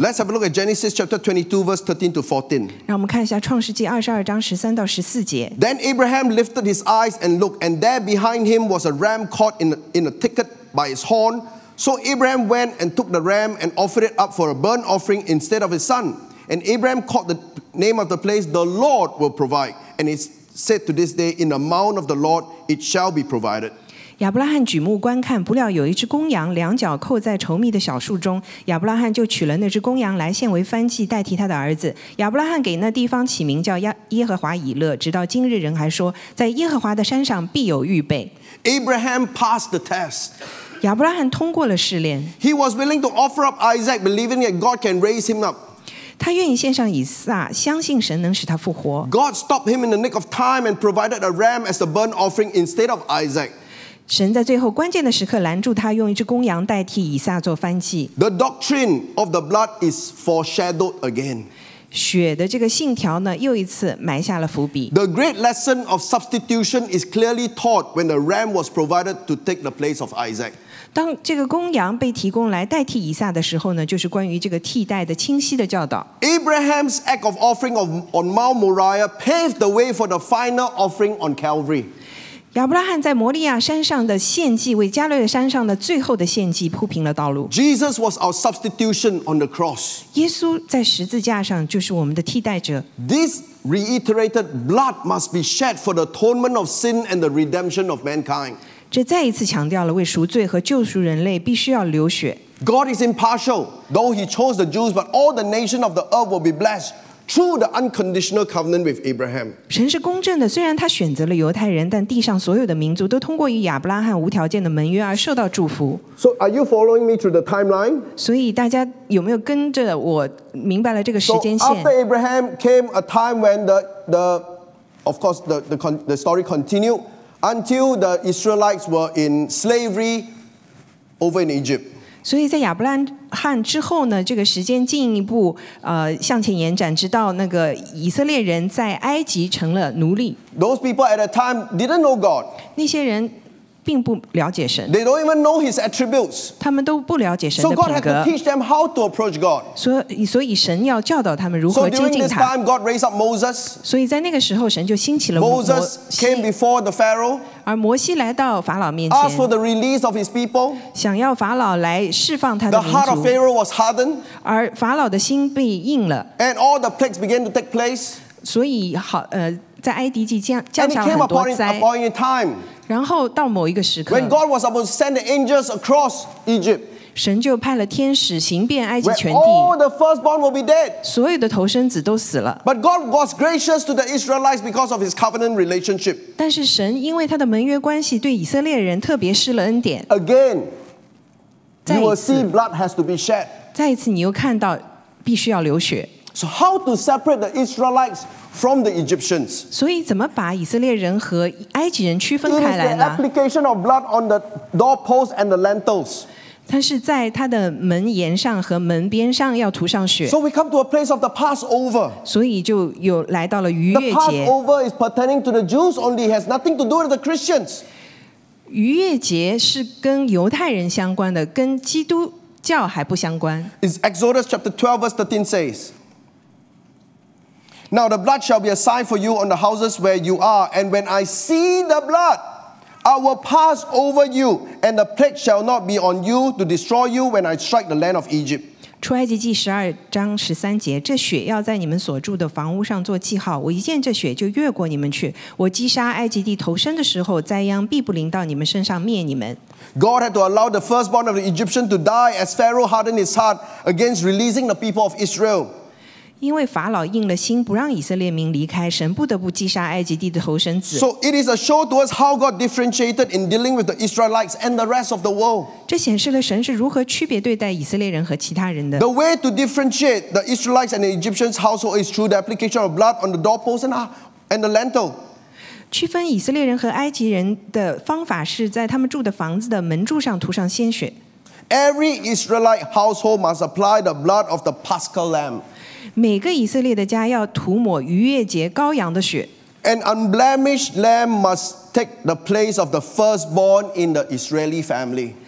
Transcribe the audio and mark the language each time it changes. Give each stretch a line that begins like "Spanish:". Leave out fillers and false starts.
English: Let's have a look at Genesis chapter 22, verse 13 to 14.
Chinese: 让我们看一下创世纪二十二章十三到十四节。
English: Then Abraham lifted his eyes and looked, and there behind him was a ram caught in a thicket by its horn. So Abraham went and took the ram and offered it up for a burnt offering instead of his son. And Abraham called the name of the place, The Lord will provide. And it's said to this day, In the mouth of the Lord it shall be provided.
Chinese: 亚伯拉罕举目观看，不料有一只公羊两脚扣在稠密的小树中。亚伯拉罕就取了那只公羊来献为燔祭，代替他的儿子。亚伯拉罕给那地方起名叫耶和华以勒，直到今日人还说，在耶和华的山上必有预备。
English: Abraham passed the test.
Chinese: 亚伯拉罕通过了试炼。
English: He was willing to offer up Isaac, believing that God can raise him up.
Chinese: 他愿意献上以撒，相信神能使他复活。
English: God stopped him in the nick of time and provided a ram as the burnt offering instead of Isaac.
Chinese: 神在最后关键的时刻拦住他，用一只公羊代替以撒做燔祭。
English: The doctrine of the blood is foreshadowed again.
Chinese: 血的这个信条呢，又一次埋下了伏笔。
English: The great lesson of substitution is clearly taught when the ram was provided to take the place of Isaac.
Chinese: 当这个公羊被提供来代替以撒的时候呢，就是关于这个替代的清晰的教导。
English: Abraham's act of offering on Mount Moriah paved the way for the final offering on Calvary.
Chinese: 亚伯拉罕在摩利亚山上的献祭，为加勒山上的最后的献祭铺平了道路。
English: Jesus was our substitution on the cross.
Chinese: 耶稣在十字架上就是我们的替代者。
English: This reiterated blood must be shed for the atonement of sin and the redemption of mankind.
Chinese: 这再一次强调了为赎罪和救赎人类必须要流血。
English: God is impartial, though He chose the Jews, but all the nations of the earth will be blessed. Through the unconditional covenant with Abraham.
Chinese: 神是公正的，虽然他选择了犹太人，但地上所有的民族都通过与亚伯拉罕无条件的盟约而受到祝福。
English: So are you following me through the timeline?
Chinese: 所以大家有没有跟着我明白了这个时间线？
English: So after Abraham came a time when the of course the story continued until the Israelites were in slavery over in Egypt.
Chinese: 所以在亚伯拉罕之后呢，这个时间进一步向前延展，直到那个以色列人在埃及成了奴隶。
English: Those people at the time didn't know God.
Chinese: 那些人并不了解神。
English: They don't even know His attributes.
Chinese: 他们都不了解神的品格。
English: So God had to teach them how to approach God.
Chinese: 所以神要教导他们如何接近他。
English: So during this time, God raised up Moses.
Chinese: 所以在那个时候，神就兴起了摩西。
English: Moses came before the Pharaoh.
Chinese: 而摩西来到法老面前
English: ，asked for the release of his people，
Chinese: 想要法老来释放他的民族。
English: The heart of Pharaoh was hardened，
Chinese: 而法老的心被硬了。
English: And all the plagues began to take place，
Chinese: 所以在埃及地降下了很多灾。
English: And it came upon a time，
Chinese: 然后到某一个时刻
English: ，when God was about to send the angels across Egypt，
Chinese: 神就派了天使行遍埃及全地。
English: All the firstborn will be dead，
Chinese: 所有的头生子都死了。
English: But God was gracious to the Israelites because of His covenant relationship。
Chinese: 但是神因为他的盟约关系对以色列人特别施了恩典。
English: Again, you will see blood has to be shed.
Chinese: 再一次你又看到必须要流血。
English: So how to separate the Israelites from the Egyptians?
Chinese: 所以怎么把以色列人和埃及人区分开来呢？
English: It is the application of blood on the doorposts and the lintels.
Chinese: 它是在它的门沿上和门边上要涂上血。
English: So we come to a place of the Passover.
Chinese: 所以就有来到了逾越节。
English: The Passover is pertaining to the Jews only; has nothing to do with the Christians.
Chinese: 逾越节是跟犹太人相关的，跟基督教还不相关。
English: Is Exodus chapter 12 verse 13 says. Now the blood shall be a sign for you on the houses where you are, and when I see the blood, I will pass over you, and the plague shall not be on you to destroy you when I strike the land of Egypt.
Chinese: 出埃及记十二章十三节，这血要在你们所住的房屋上做记号。我一见这血就越过你们去。我击杀埃及地头生的时候，灾殃必不临到你们身上灭你们。
English: God had to allow the firstborn of the Egyptian to die as Pharaoh hardened his heart against releasing the people of Israel.
Chinese: 因为法老硬了心，不让以色列民离开，神不得不击杀埃及地的头生子。
English: So it is a show to us how God differentiated in dealing with the Israelites and the rest of the world.
Chinese: 这显示了神是如何区别对待以色列人和其他人的。
English: The way to differentiate the Israelites and the Egyptians' household is through the application of blood on the doorpost and the lintel.
Chinese: 区分以色列人和埃及人的方法是在他们住的房子的门柱上涂上鲜血。
English: Every Israelite household must apply the blood of the Paschal Lamb.
Chinese: 每个以色列的家要涂抹逾越节羔羊的血。
English: An unblemished lamb must take the place of the firstborn in the Israeli family.